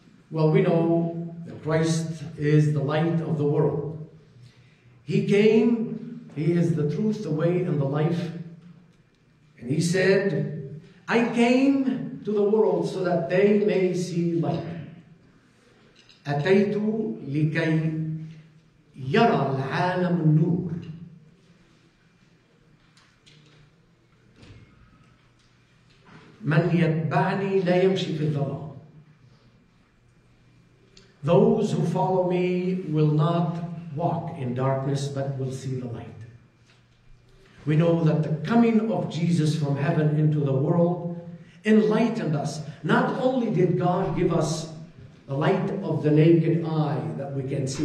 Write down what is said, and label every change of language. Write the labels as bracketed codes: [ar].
[en] Well, we know that Christ is the light of the world. He came, he is the truth, the way, and the life. And he said, I came to the world so that they may see light. [ar] أتيت لكي يرى العالم النور. من يتبعني لا يمشي في الظلام. [en] Those who follow me will not walk in darkness but will see the light. We know that the coming of Jesus from heaven into the world enlightened us. Not only did God give us the light of the naked eye that we can see.